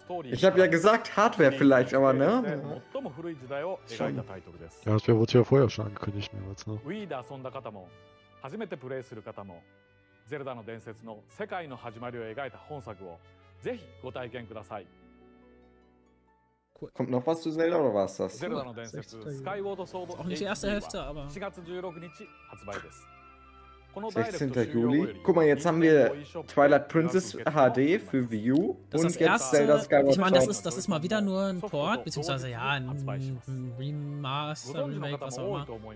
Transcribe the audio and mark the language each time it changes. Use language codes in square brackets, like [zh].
[de] Ich habe ja gesagt Hardware vielleicht, aber ne? Ja, das wurde ja vorher schon angekündigt, mehrmals, ne? [ja] Wii で遊んだ方も、初めてプレイする方も、ゼルダの伝説の世界の始まりを描いた本作をぜひご体験ください。 [de] Kommt noch was zu Zelda oder war es das? Zelda の伝説、Skyward Sword HD. Auch nicht die erste Hälfte, aber. [ja] 4月16日発売です。 [de] 16. Juli. Guck mal, jetzt haben wir Twilight Princess HD für Wii U und das jetzt erste, Zelda Skyward Sword. Ich meine, das ist mal wieder nur ein Port, beziehungsweise ja, ein Remaster, Remake, was auch immer.